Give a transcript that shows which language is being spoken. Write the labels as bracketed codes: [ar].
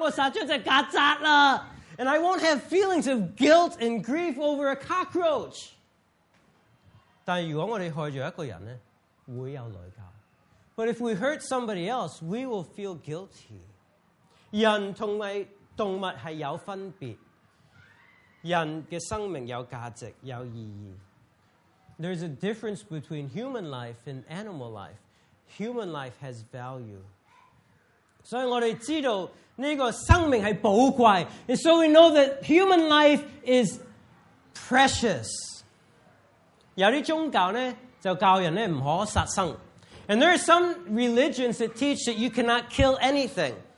[en] And I won't have feelings of guilt and grief over a cockroach. [yue] 但如果我們害了一個人呢, 會有內疚。 [en] But if we hurt somebody else, we will feel guilty. [yue] 人和動物是有分別。人的生命有價值,有意義。 [en] There's a difference between human life and animal life. Human life has value. [yue] 所以我們知道這個生命是寶貴, [en] and so we know that human life is precious. [yue] 有些宗教呢,就教人呢,不可殺生。 [en] And there are some religions that teach that you cannot kill anything.